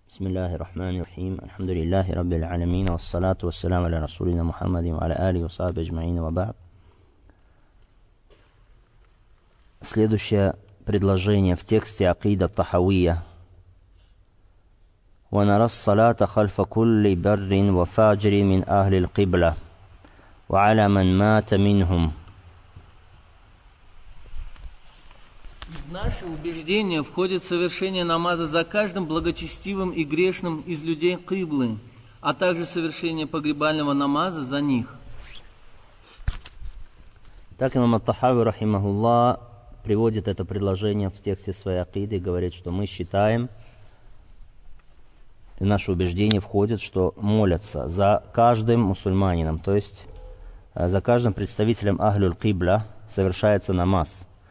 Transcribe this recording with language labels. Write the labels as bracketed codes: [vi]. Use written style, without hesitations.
[ar] بسم الله الرحمن الرحيم الحمد لله رب العالمين والصلاة والسلام على رسولنا محمد وعلى آله وصحبه أجمعين وبعد. [ru] Следующее предложение в тексте عقيدة الطحوية. [ar] ونرى الصلاة خلف كل بر وفاجر من أهل القبلة وعلى من مات منهم. [ru] В наше убеждение входит совершение намаза за каждым благочестивым и грешным из людей Кыблы, а также совершение погребального намаза за них. Так имам ат-Тахави, рахимахуллах, приводит это предложение в тексте своей акиды и говорит, что мы считаем, в наше убеждение входит, что молятся за каждым мусульманином, то есть за каждым представителем Ахлюль-Кибла совершается намаз.